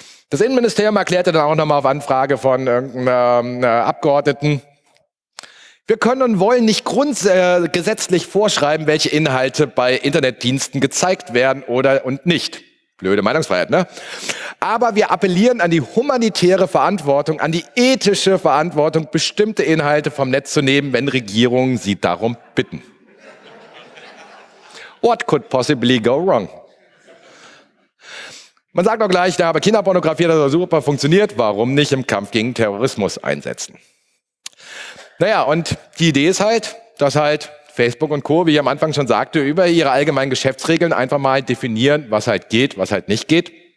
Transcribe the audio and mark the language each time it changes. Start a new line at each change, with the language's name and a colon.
German: Das Innenministerium erklärte dann auch nochmal auf Anfrage von Abgeordneten, wir können und wollen nicht grundgesetzlich vorschreiben, welche Inhalte bei Internetdiensten gezeigt werden oder und nicht. Blöde Meinungsfreiheit, ne? Aber wir appellieren an die humanitäre Verantwortung, an die ethische Verantwortung, bestimmte Inhalte vom Netz zu nehmen, wenn Regierungen sie darum bitten.
English: What could possibly go wrong?
German: Man sagt auch gleich, da habe Kinderpornografie, das hat super funktioniert, warum nicht im Kampf gegen Terrorismus einsetzen? Naja, und die Idee ist halt, dass halt Facebook und Co., wie ich am Anfang schon sagte, über ihre allgemeinen Geschäftsregeln einfach mal definieren, was halt geht, was halt nicht geht.